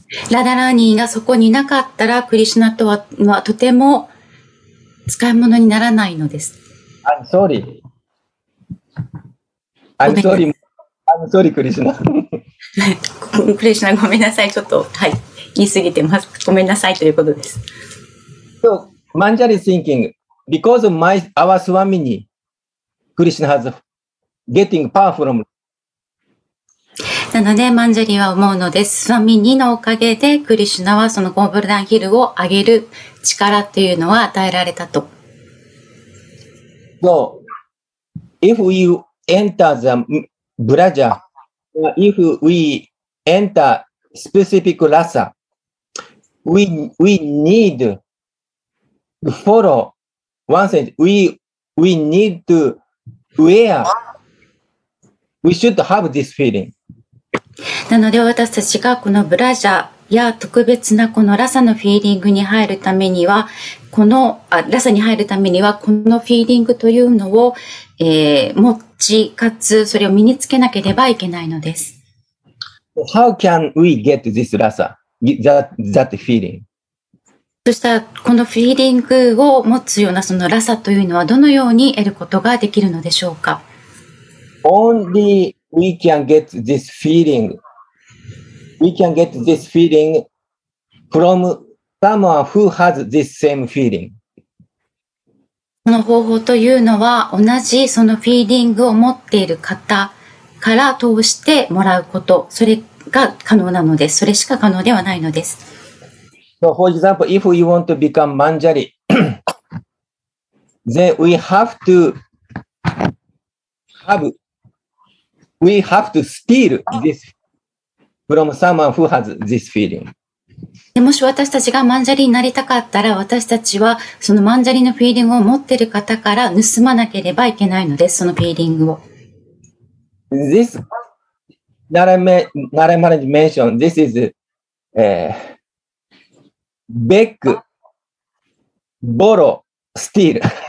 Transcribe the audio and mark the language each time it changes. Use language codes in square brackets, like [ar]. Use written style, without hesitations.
[ja] ラダラニがそこにいなかったらクリシナとはとても使い物にならないのです。 [en] I'm sorry, クリシナ。 [ja] クリシナごめんなさい、ちょっと、はい、言い過ぎてます、ごめんなさいということです。 [en] So, Manjari is thinking, because of our Swamini, Krishna has getting power from. [ja] なので、マンジャリは思うのです。Swamini のおかげで、クリシナはそのゴーブルダンヒルを上げる力というのは与えられたと。 [en] So, if we enter the Braja,If we enter specific rasa, we need to follow one sense. We need to wear. We should have this feeling. [ja] なので私たちがこのブラジャーや特別なこのラサのフィーリングに入るためには、このラサに入るためにはこのフィーリングというのを、持ちかつそれを身につけなければいけないのです。 [en] How can we get this rasa, that feeling? [ja] そしたらこのフィーリングを持つようなそのラサというのはどのように得ることができるのでしょうか。 [en] Only we can get this feeling. We can get this feeling from someone who has this same feeling. [ja] この方法というのは、同じそのフィーリングを持っている方から通してもらうこと、それが可能なのです。それしか可能ではないのです。 [en] So, for example, if we want to become Manjari, then we have to steal this from someone who has this feeling. [ja] もし私たちがマンジャリになりたかったら、私たちはそのマンジャリのフィーリングを持っている方から盗まなければいけないのです、そのフィーリングを。 [en] This, Narayan Maharaj mentioned, this is, beg, borrow, steal.